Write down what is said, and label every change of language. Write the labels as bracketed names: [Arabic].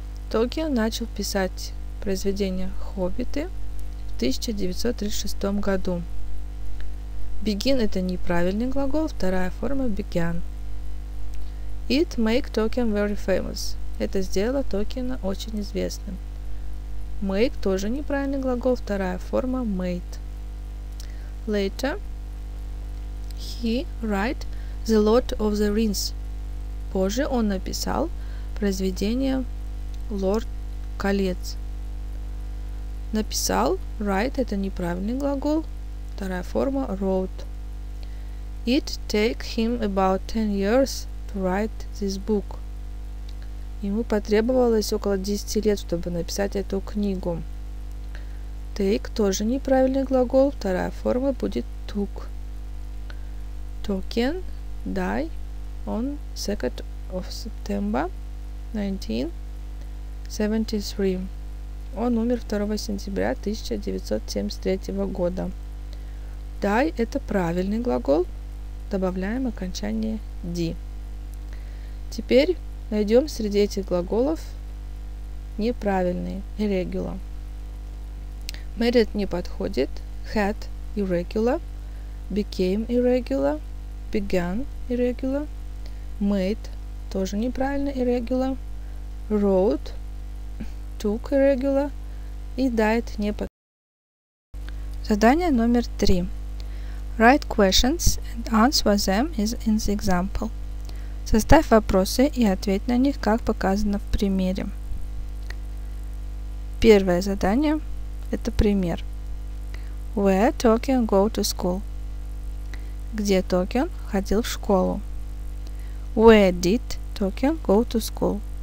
[Russian] Tolkien начал писать произведение «Хоббиты» в 1936 году. Begin – это неправильный глагол, вторая форма began. [English] It make Tolkien very famous. [Russian] Это сделало Tolkiena очень известным. Make – тоже неправильный глагол, вторая форма – made. [English] Later – he write The Lord of the Rings. [Russian] Позже он написал произведение «Лорд колец». Написал – write – это неправильный глагол, вторая форма – wrote. [English] It take him about 10 years to write this book. [Russian] Ему потребовалось около 10 лет, чтобы написать эту книгу. Take – тоже неправильный глагол, вторая форма будет took. [English] Tolkien – die on 2nd of September 1973. [Russian] Он умер 2 сентября 1973 года. Die – это правильный глагол, добавляем окончание d. Теперь найдем среди этих глаголов неправильные, irregular. [English] Married – не подходит, had – irregular, became – irregular, began – irregular, made – тоже неправильно, irregular, wrote – took – irregular и died – не подходит. [Russian] Задание номер 3. [English] Write questions and answer them in the example. [Russian] Составь вопросы и ответь на них, как показано в примере. Первое задание – это пример. [English] Where Tolkien go to school? [Russian] Где Tolkien ходил в школу? [English] Where did Tolkien go to school?